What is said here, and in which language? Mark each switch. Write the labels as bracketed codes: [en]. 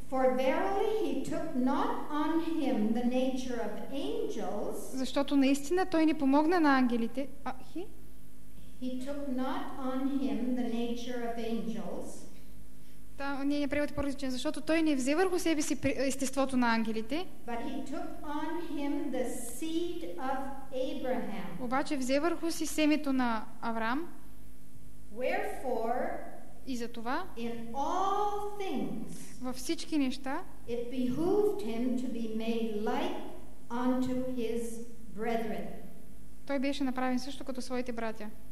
[en] For verily he took not on him the nature of angels. [bg] Защото наистина той не помогна на ангелите. [en] He took not on him the nature of angels. [bg] Та, ние не приемате по-различен, защото той не взе върху себе си естеството на ангелите. [en] But he took on him the seed of Abraham. [bg] Обаче взе върху си семето на Авраам. [en] Wherefore, [bg] и за това, [en] in all things, [bg] във всички неща, [en] it behooved him to be made like unto his brethren. [bg] Той беше направен също като своите братя.